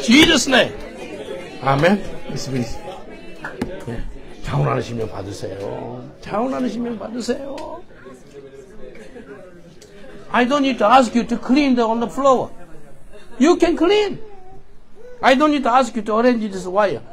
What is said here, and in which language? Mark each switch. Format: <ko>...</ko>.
<en>Jesus name. Amen. Yeah.</en> <ko>자원하는 심령 받으세요. 자원하는 심령 받으세요.</ko> <en>I don't need to ask you to clean the on the floor. You can clean. I don't need to ask you to arrange this wire.</en>